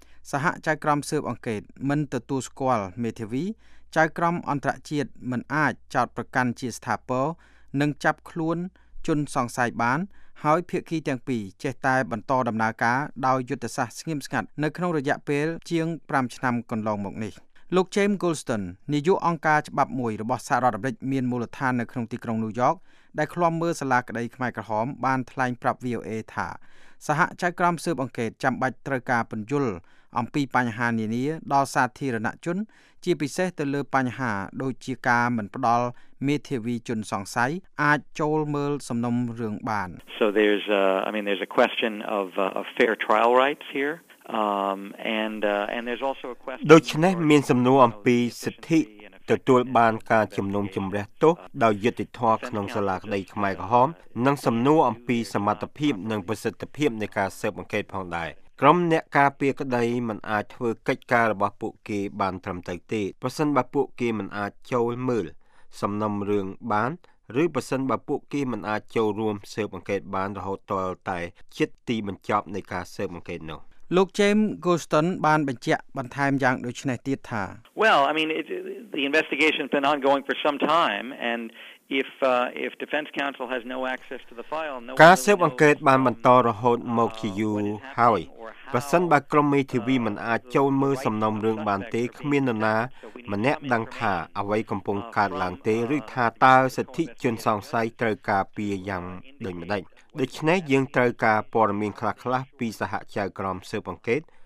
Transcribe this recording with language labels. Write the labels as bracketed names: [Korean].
[Khmer] សហចៅក្រមស៊ើបអង្កេតមិនទទួលស្គាល់មេធាវីចៅក្រមអន្តរជាតិមិនអាចចោទប្រកាន់ជាស្ថាពរនិងចាប់ខ្លួនជនសង្ស័យបានហើយភាគីទាំងពីរចេះតែបន្តដំណើរការដោយយុទ្ធសាស្ត្រស្ងៀមស្ងាត់នៅក្នុងរយៈពេលជាង5ឆ្នាំកន្លងមកនេះលោក James Goldston នាយកអង្គការច្បាប់មួយរបស់សហរដ្ឋអាមេរិកមានមូលដ្ឋាននៅក្នុងទីក្រុង New York ដែលឃ្លាំមើលសាលាក្តីខ្មែរក្រហមបានថ្លែងប្រាប់ VOA ថា សហចៅក្រមស៊ើបអង្កេតចាំបាច់ត្រូវការពន្យល់អំពីបញ្ហានានាដល់សាធារណជនជាពិសេសទៅលើបញ្ហាដូចជាការមិនផ្ដល់មេធាវីជនសង្ស័យអាចចូលមើលសំណុំរឿងបាន [English] So there's a, I mean there's a question of fair trial rights here and there's also a question [Khmer] ដូច្នេះមានសំណួរអំពីសិទ្ធិទទួលបានការជំនុំជម្រះទោសដោយយុត្តិធម៌ក្នុងសាលាក្តីខ្មែរក្រហមនិងសំណួរអំពីសមត្ថភាពនិងប្រសិទ្ធភាពនៃការស៊ើបអង្កេតផងដែរក្រុមអ្នកការពារក្តីមិនអាចធ្វើកិច្ចការរបស់ពួកគេបានត្រឹមត្រូវទេប្រសិនបើពួកគេមិនអាចចូលមើលសំណុំរឿងបានឬប្រសិនបើពួកគេមិនអាចចូលរួមស៊ើបអង្កេតបានរហូតដល់តែជិតទីបញ្ចប់នៃការស៊ើបអង្កេតនោះ លោក James Goldston បានបញ្ជាក់បន្ថែមយ៉ាងដូចនេះទៀតថា [English] Well I mean the investigation's been ongoing for some time andIf defense counsel has no access to the file no [Khmer] ការស៊ើបអង្កេតបានបន្តរហូតមកជាយូរហើយប្រសិនបើក្រុមមេធាវីមិនអាចចូលមើលសំណុំរឿងបានទេគ្មាននរណាម្នាក់ដឹងថាអ្វីកំពុងកើតឡើងទេឬថាតើសិទ្ធិជនសង្ស័យត្រូវការពីយ៉ាងដូចម្តេចដូច្នេះយើងត្រូវការព័ត៌មានខ្លះៗពីសហចៅក្រមស៊ើបអង្កេត